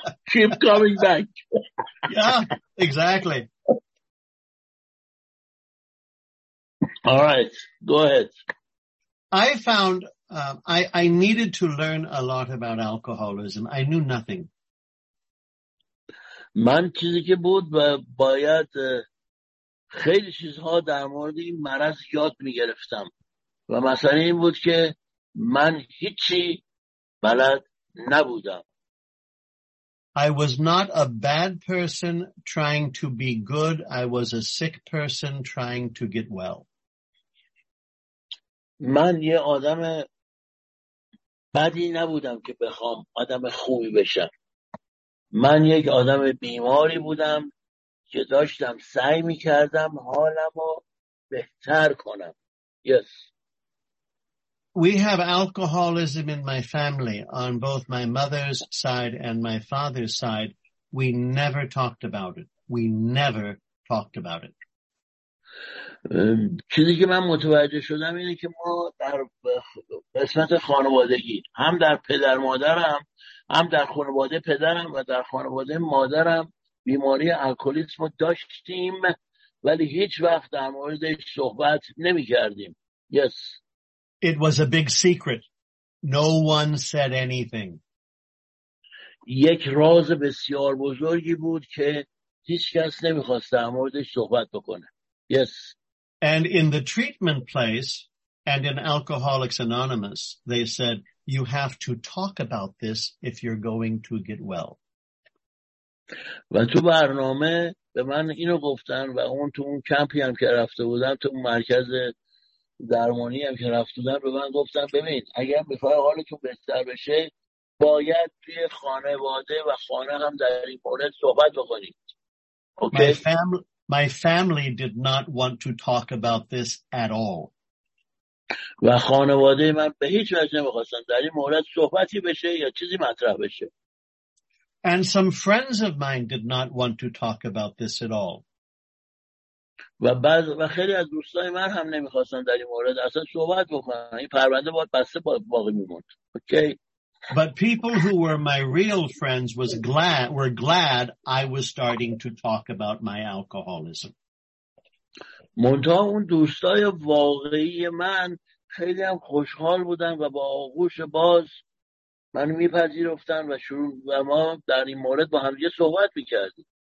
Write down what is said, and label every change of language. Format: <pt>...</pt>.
<en>Keep coming back. Yeah, exactly. All right, go ahead. I found I needed to learn a lot about alcoholism. I knew nothing.</en> <fa>من چیزی که بود و باید خیلی چیزها در مورد این مرض یاد می‌گرفتم و مثلا این بود که من هیچی بلد نبودم.</fa> <en>I was not a bad person trying to be good. I was a sick person trying to get well.</en> <fa>من یه آدم بدی نبودم که بخوام آدم خوبی بشم. من یک آدم بیماری بودم که داشتم سعی می‌کردم حالمو بهتر کنم.</fa> <en>Yes. We have alcoholism in my family on both my mother's side and my father's side. We never talked about it. We never talked about it.</en> <fa>چیزی که من متوجه شدم اینه که ما در قسمت خانوادگی هم در پدر مادرم هم در خانواده پدرم و در خانواده مادرم بیماری الکلیسم رو داشتیم ولی هیچ وقت در موردش صحبت نمی کردیم.</fa> <en>Yes. It was a big secret. No one said anything.</en> <fa>یک راز بسیار بزرگی بود که هیچ کس نمی خواست در موردش صحبت بکنه.</fa> <en>Yes. And in the treatment place and in Alcoholics Anonymous, they said, you have to talk about this if you're going to get well.</en> <fa>و تو برنامه به من اینو گفتن و اون تو اون کمپی هم که رفته بودم تو مرکز درمانی هم که رفته بودم به من گفتن ببین اگر میخوای حالتون بهتر بشه باید توی خانواده و خانه هم در این مورد صحبت بکنید.</fa> <en>Okay? My family did not want to talk about this at all.</en> <fa>و خانواده من به هیچ وجه نمیخواستن در این مورد صحبتی بشه یا چیزی مطرح بشه.</fa> <en>And some friends of mine did not want to talk about this at all.</en> <fa>و خیلی از دوستای من هم نمیخواستن در این مورد اصلا صحبت بکنن. این پرونده باید بسته باقی میموند.</fa> <en>Okay? But people who were my real friends were glad I was starting to talk about my alcoholism.</en> <fa>منتها اون دوستای واقعی من خیلی هم خوشحال بودن و با آغوش باز من میپذیرفتن و شروع و ما در این مورد با هم یه صحبت میکردیم.</fa>